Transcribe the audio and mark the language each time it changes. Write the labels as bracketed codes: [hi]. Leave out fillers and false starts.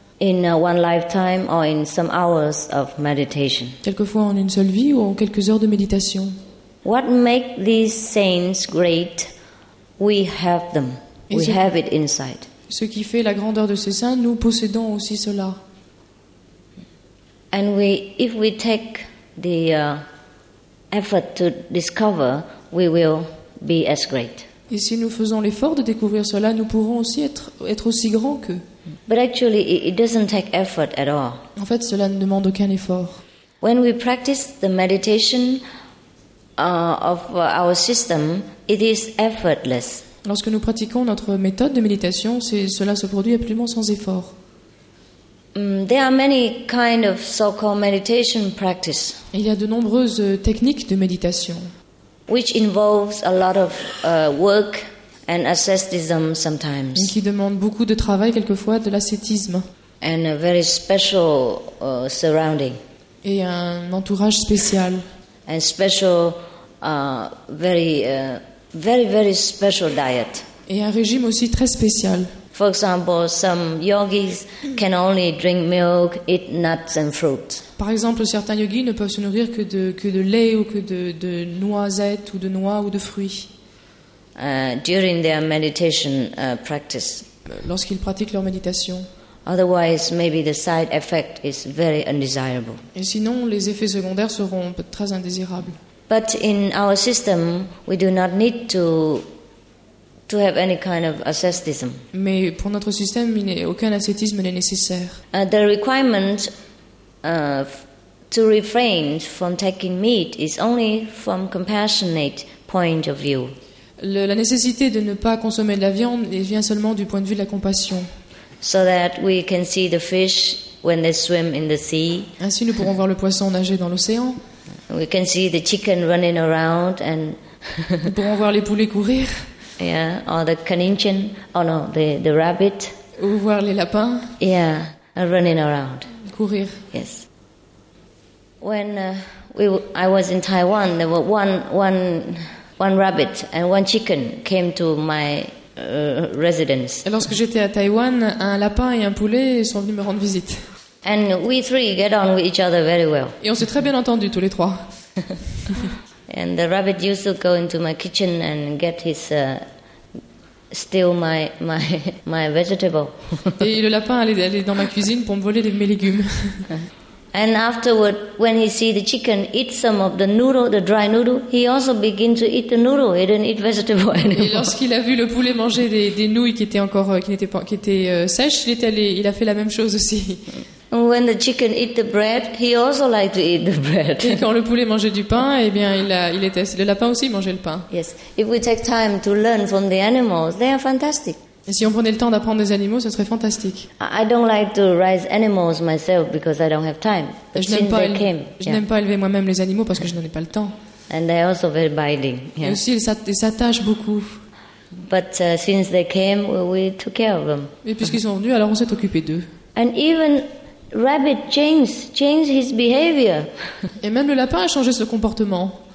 [en] In one lifetime or in some hours of meditation. [fr] Quelquefois en une seule vie ou en quelques heures de méditation. [en] What make these saints great? We have them. We have it inside. [fr] Ce qui fait la grandeur de ces saints, nous possédons aussi cela. [en] And if we take the effort to discover, we will be as great. [fr] Et si nous faisons l'effort de découvrir cela, nous pourrons aussi être aussi grands qu'eux. [en] But actually, it doesn't take effort at all. [fr] En fait, cela ne demande aucun effort. [en] When we practice the meditation of our system, it is effortless. [fr] Lorsque nous pratiquons notre méthode de méditation, cela se produit absolument sans effort. [en] There are many kind of so-called meditation practice. [fr] Il y a de nombreuses techniques de méditation. [en] Which involves a lot of work. And asceticism sometimes. [fr] Qui demande beaucoup de travail quelquefois, de l'ascétisme. [en] And a very special surrounding. [fr] Et un entourage spécial. [en] And special, very, very, very special diet. [fr] Et un régime aussi très spécial. [en] For example, some yogis can only drink milk, eat nuts and fruit. [fr] Par exemple, certains yogis ne peuvent se nourrir que de lait ou que de noisettes ou de noix ou de fruits. [en] During their meditation practice. [fr] Lorsqu'ils pratiquent leur méditation. [en] Otherwise, maybe the side effect is very undesirable. [fr] Et sinon, les effets secondaires seront très indésirables. [en] But in our system, we do not need to have any kind of asceticism. [fr] Mais pour notre système, aucun ascétisme n'est nécessaire. [en] The requirement to refrain from taking meat is only from compassionate point of view. [fr] la nécessité de ne pas consommer de la viande et vient seulement du point de vue de la compassion. [en] So that we can see the fish when they swim in the sea. [fr] Ainsi, nous pourrons voir le poisson nager dans l'océan. [en] We can see the chicken running around and. [fr] Nous pourrons voir les poulets courir. [en] Yeah, or the caninchen. Oh no, the rabbit. [fr] Ou voir les lapins. [en] Yeah, running around. [fr] Courir. [en] Yes. When I was in Taiwan, there were one rabbit and one chicken came to my residence. [fr] Et lorsque j'étais à Taïwan, un lapin et un poulet sont venus me rendre visite. [en] And we three get on with each other very well. [fr] Et on s'est très bien entendu tous les trois. [en] And the rabbit used to go into my kitchen and get his steal my vegetable. [fr] Et le lapin allait dans ma cuisine pour me voler mes légumes. [en] And afterward, when he see the chicken eat some of the noodle, the dry noodle, he also begin to eat the noodle. He didn't eat vegetable anymore. [fr] Et lorsqu'il a vu le poulet manger des nouilles qui étaient encore qui étaient sèches, il a fait la même chose aussi. [en] When the chicken eat the bread, he also like to eat the bread. [fr] Et quand le poulet mangeait du pain, eh bien le lapin aussi mangeait le pain. [en] Yes. If we take time to learn from the animals, they are fantastic. [fr] Et si on prenait le temps d'apprendre des animaux, ce serait fantastique. [en] I don't like to raise animals myself because I don't have time. [fr] Je n'aime pas élever moi-même les animaux parce que je n'en ai pas le temps. [en] And they are also very biting. Yeah. [fr] Et aussi ils s'attachent beaucoup. [en] But since they came, we took care of them. [fr] Et puisqu'ils sont venus, alors on s'est occupé d'eux. [en] And even rabbit changed his behavior. [fr] Et même le lapin a changé son comportement.